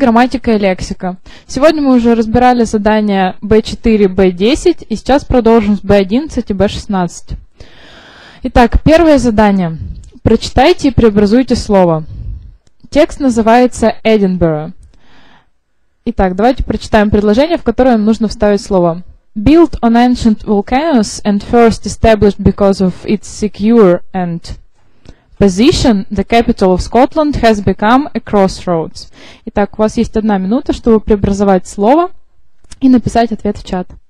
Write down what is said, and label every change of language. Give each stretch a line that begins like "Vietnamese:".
Russian: Грамматика и лексика. Сегодня мы уже разбирали задания B4, B10, и сейчас продолжим с B11 и B16. Итак, первое задание. Прочитайте и преобразуйте слово. Текст называется Эдинбург. Итак, давайте прочитаем предложение, в которое нужно вставить слово.
English: Built on ancient volcanoes and first established because of its secure and position, the capital of Scotland has become a crossroads.
Russian: Итак, у вас есть одна минута, чтобы преобразовать слово и написать ответ в чат.